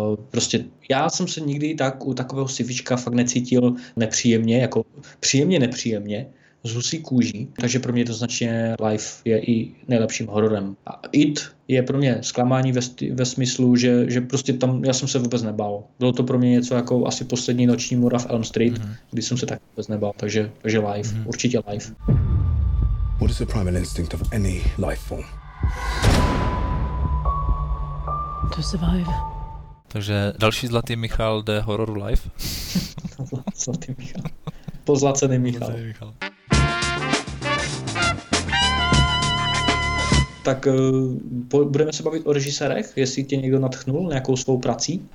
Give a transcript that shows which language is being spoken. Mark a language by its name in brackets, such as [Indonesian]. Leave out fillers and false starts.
[Czech] prostě já jsem se nikdy tak u takového sci-fička fakt necítil nepříjemně, jako příjemně nepříjemně, z husí kůží, takže pro mě to značně Life je i nejlepším hororem. A It je pro mě zklamání ve smyslu, že prostě tam já jsem se vůbec nebál. Bylo to pro mě něco jako asi poslední noční mura v Elm Street, kdy jsem se tak vůbec nebál, takže Life, určitě Life. [English] What is the primal instinct of any life form? To survive. [Czech] Takže další zlatý Michal jde hororu Life. Zlatý Michal. Pozlacený Michal. Pozlacený Michal. Tak budeme se bavit o režisérech, jestli tě někdo natchnul nějakou svou prací.